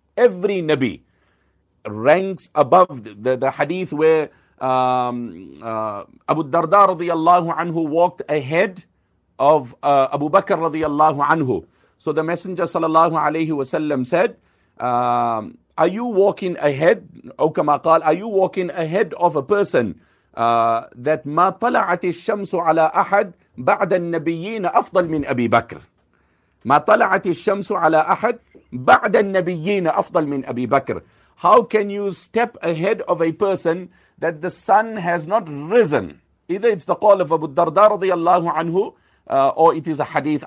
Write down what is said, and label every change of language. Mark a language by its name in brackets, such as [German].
[English] Every Nabi ranks above the hadith where Abu Darda radiallahu anhu walked ahead of Abu Bakr radiallahu anhu. So the Messenger sallallahu alayhi wa sallam said, are you walking ahead? [Arabic] أو كما قال, [English] are you walking ahead of a person? [Arabic] That ما طلعت الشمس على أحد بعد النبيين أفضل من أبي بكر. ما طلعت الشمس على أحد بعد النبيين أفضل من أبي بكر. [English] How can you step ahead of a person that the sun has not risen? Either it's the call of Abu الدرداء [Arabic] رضي الله عنه, [English] or it is a hadith.